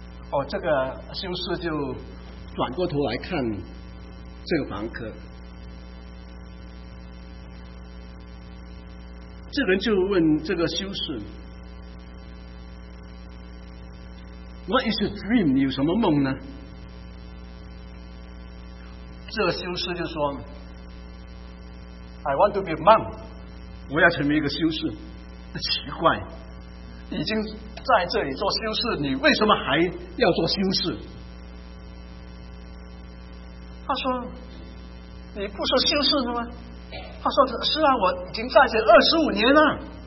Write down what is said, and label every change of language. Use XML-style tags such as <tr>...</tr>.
<zh>哦，这个修士就转过头来看这个房客，这个人就问这个修士</zh> <en>What is your dream?</en> <zh>你有什么梦呢？这个修士就说</zh> <en>I want to be a monk.</en> <zh>我要成为一个修士。奇怪，已经在这里做修士，你为什么还要做修士？他说你不是修士的吗？他说是啊，我已经在这25年了。</zh>